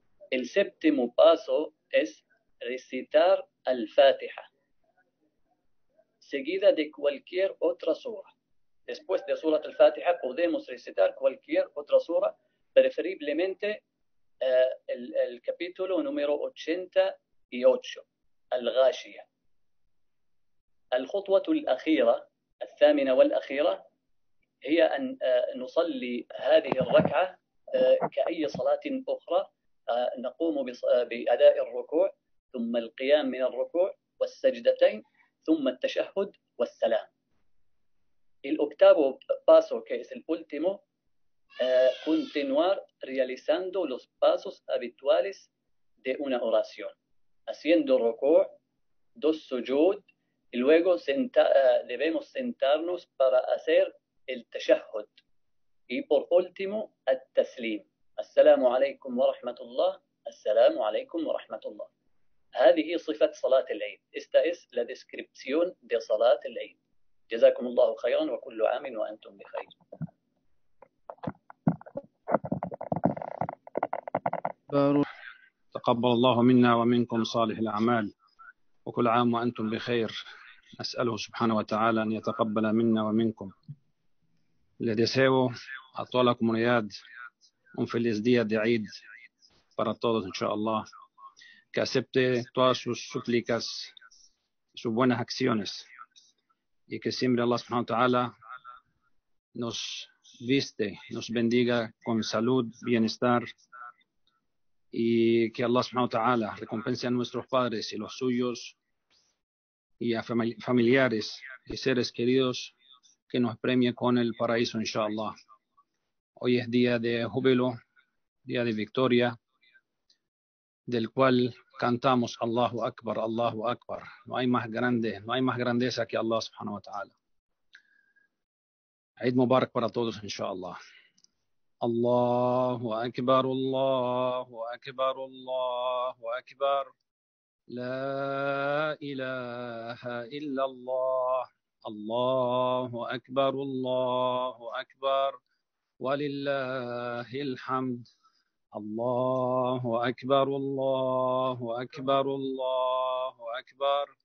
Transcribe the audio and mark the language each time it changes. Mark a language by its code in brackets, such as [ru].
[es] El séptimo paso es recitar الفاتحة seguida de cualquier otra sura. Después de سورة الفاتحة podemos recitar cualquier otra sura, preferiblemente el capítulo número 88, الغاشية. [ar] الخطوة الأخيرة، الثامنة والأخيرة، هي أن نصلي هذه الركعة كأي صلاة أخرى، نقوم بأداء الركوع ثم القيام من الركوع والسجدتين ثم التشهد والسلام. [es] El octavo paso, que es el último, continuar realizando los pasos habituales de una oración, haciendo rucú, dos sujud, y luego debemos sentarnos para hacer el tashahud. Y por último, el taslim. [ar] Assalamu alaykum wa rahmatullah. Assalamu alaykum wa rahmatullah. هذه صفة صلاة العيد. [es] Esta es la descripción de صلاة العيد. [ar] جزاكم الله خيرا وكل عام وأنتم بخير. تقبل الله منا ومنكم صالح الأعمال وكل عام وأنتم بخير. أسأله سبحانه وتعالى أن يتقبل منا ومنكم. [es] Le deseo a toda la comunidad un feliz día de Eid para todos, inshallah, que acepte todas sus súplicas, sus buenas acciones, y que siempre Allah subhanahu wa ta'ala nos viste, nos bendiga con salud, bienestar, y que Allah subhanahu wa ta'ala recompense a nuestros padres y los suyos y a familiares y seres queridos, que nos premie con el paraíso, inshallah. Hoy es día de júbilo, día de victoria, del cual cantamos [ar] Allahu Akbar, Allahu Akbar. [es] No hay más grande, no hay más grandeza que Allah subhanahu wa ta'ala. Eid Mubarak para todos, inshallah. [ar] الله أكبر الله أكبر الله أكبر لا إله إلا الله الله أكبر الله أكبر ولله الحمد الله أكبر الله أكبر الله أكبر